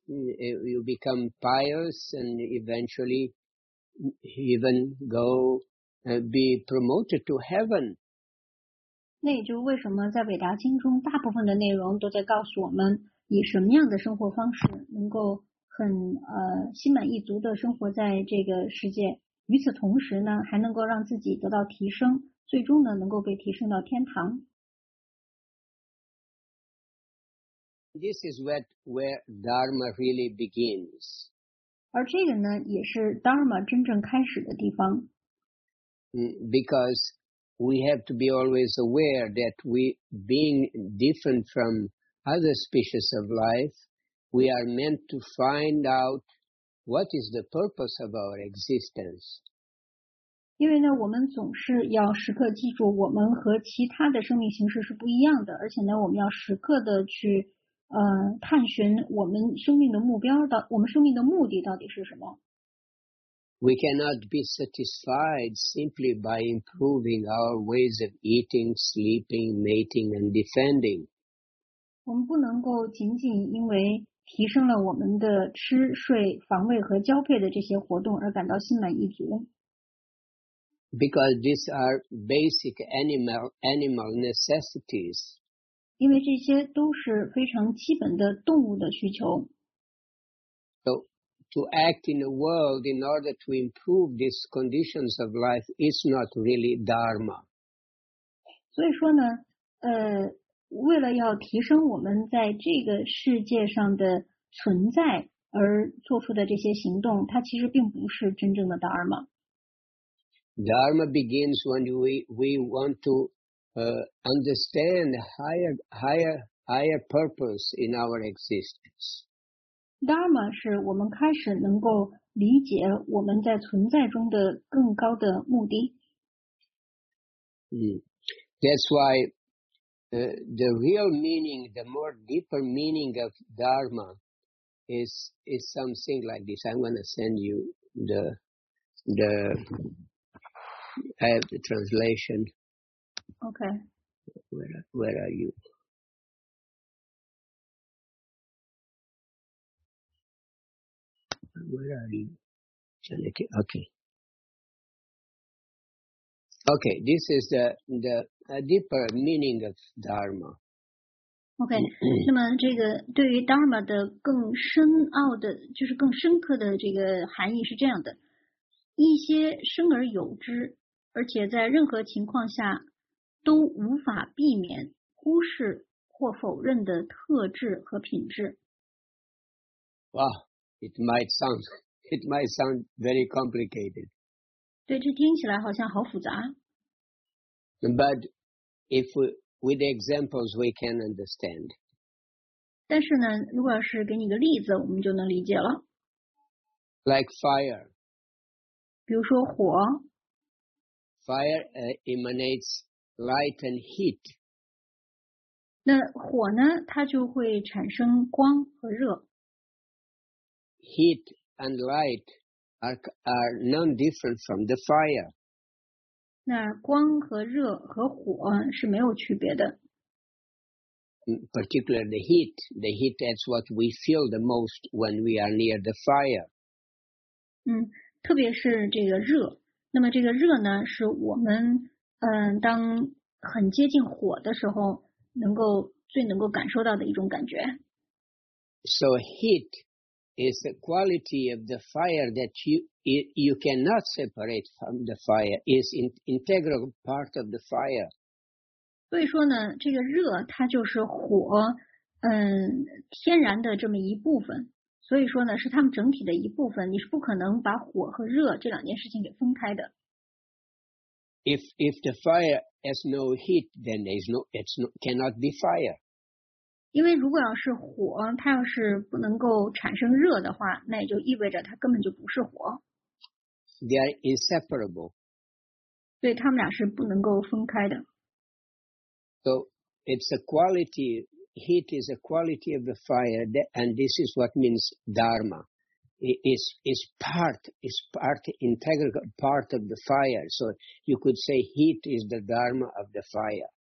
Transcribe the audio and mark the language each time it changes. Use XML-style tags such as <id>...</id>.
<en>You become pious and eventually even go be promoted to heaven.</en> <zh>那也就是为什么在伟达经中大部分的内容都在告诉我们以什么样的生活方式能够很心满意足的生活在这个世界，与此同时呢，还能够让自己得到提升，最终呢，能够被提升到天堂。</zh> <en>This is where Dharma really begins.</en> <zh>而这个呢，也是 Dharma 真正开始的地方。</zh> <en>Because we have to be always aware that we being different from other species of life. We are meant to find out what is the purpose of our existence.</en> <zh>因为呢，我们总是要时刻记住，我们和其他的生命形式是不一样的，而且呢，我们要时刻的去探寻我们生命的目标到我们生命的目的到底是什么。</zh> <en>We cannot be satisfied simply by improving our ways of eating, sleeping, mating, and defending.</en> <zh>我们不能够仅仅因为提升了我们的吃、睡、防卫和交配的这些活动而感到心满意足。</zh> <en>Because these are basic animal necessities.</en> <zh>因为这些都是非常基本的动物的需求。</zh> <en>So, to act in the world in order to improve these conditions of life is not really dharma.</en> <zh>所以说呢，为了要提升我们在这个世界上的存在而做出的这些行动，它其实并不是真正的 Dharma。</zh> <en>Dharma begins when we want to understand higher purpose in our existence.</en> <zh>Dharma 是我们开始能够理解我们在存在中的更高的目的。</zh> <en>That's why. The real meaning, the more deeper meaning of Dharma is something like this. I'm going to send you the I have the translation. Okay. Where are you? Where are you? Okay. Okay, this is the deeper meaning of Dharma.</en> <zh>Okay, 那么这个对于 Dharma 的更深奥的，就是更深刻的这个含义是这样的：一些生而有之，而且在任何情况下都无法避免、忽视或否认的特质和品质。</zh> <en>Wow, it might sound very complicated.</en> <zh>对，这听起来好像好复杂。</zh> <en>But if we, with examples, we can understand.</en> <zh>但是呢，如果是给你个例子，我们就能理解了。</zh> <en>Like fire.</en> <zh>比如说火。</zh> <en>Fire emanates light and heat.</en> <zh>那火呢，它就会产生光和热。</zh> <en>Heat and light. Are none different from the fire.</en> <zh>那光和热和火是没有区别的。</zh> <en>Particularly the heat is what we feel the most when we are near the fire.</en> <zh>特别是这个热。那么这个热呢，是我们当很接近火的时候，能够最能够感受到的一种感觉。</zh> <en>So heat is the quality of the fire that you cannot separate from the fire, is an integral part of the fire.</en> <zh>所以说呢，这个热它就是火，天然的这么一部分。所以说呢，是它们整体的一部分，你是不可能把火和热这两件事情给分开的。</zh> <en>If the fire has no heat, then cannot be fire.</en> <zh>因为如果要是火，它要是不能够产生热的话，那也就意味着它根本就不是火。</zh> <en>They are inseparable.</en> <zh>对，它们俩是不能够分开的。</zh> <en>So it's a quality, heat is a quality of the fire, and this is what means dharma. It is part, integral part of the fire. So you could say heat is the dharma of the fire.</en>